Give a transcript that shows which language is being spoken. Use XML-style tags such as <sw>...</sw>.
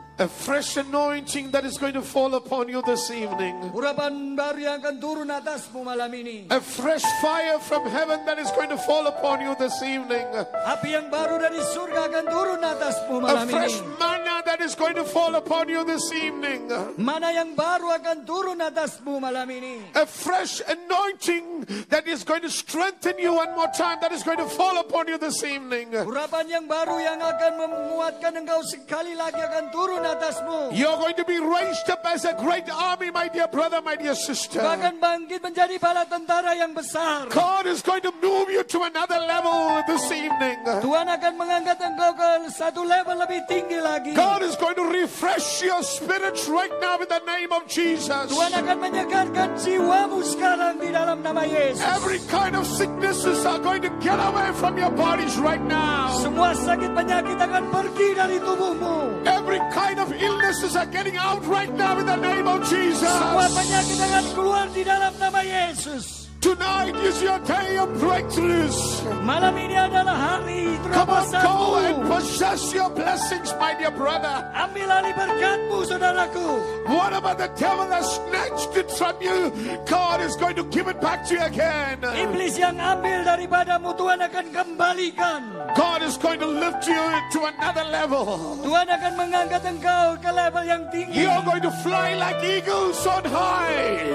<en>A fresh anointing that is going to fall upon you this evening.</en> <id>Urapan baru yang akan turun atasmu malam ini.</id> <en>A fresh fire from heaven that is going to fall upon you this evening.</en> <id>Api yang baru dari surga akan turun atasmu malam ini.</id> <en>A fresh manna that is going to fall upon you this evening.</en> <id>Manna yang baru akan turun atasmu malam ini.</id> <en>A fresh anointing that is going to strengthen you one more time that is going to fall upon you this evening.</en> <id>Urapan yang baru yang akan menguatkan engkau sekali lagi akan turun.</id> <en>You're going to be raised up as a great army, my dear brother, my dear sister.</en> <id>Bahkan bangkit menjadi bala tentara yang besar.</id> <en>God is going to move you to another level this evening.</en> <id>Tuhan akan mengangkat engkau ke satu level lebih tinggi lagi.</id> <en>God is going to refresh your spirit right now in the name of Jesus.</en> <id>Tuhan akan menyegarkan jiwamu sekarang di dalam nama Yesus.</id> <en>Every kind of sicknesses are going to get away from your bodies right now.</en> <id>Semua sakit penyakit akan pergi dari tubuhmu.</id> <en>Every kind of illnesses are getting out right now in the name of Jesus.</en> <id>Semua penyakit akan keluar di dalam nama Yesus.</id> <en>Tonight is your day of breakthroughs.</en> <id>Malam ini adalah hari terobosanmu.</id> <en>Come on, go and possess your blessings, my dear brother.</en> <id>Ambil alih berkatmu, saudaraku.</id> <en>What about the devil that snatched it from you? God is going to give it back to you again.</en> <id>Iblis yang ambil daripadamu, Tuhan akan kembalikan.</id> <en>God is going to lift you to another level.</en> <id>Tuhan akan mengangkat engkau ke level yang tinggi.</id> <en>You are going to fly like eagles on high.</en>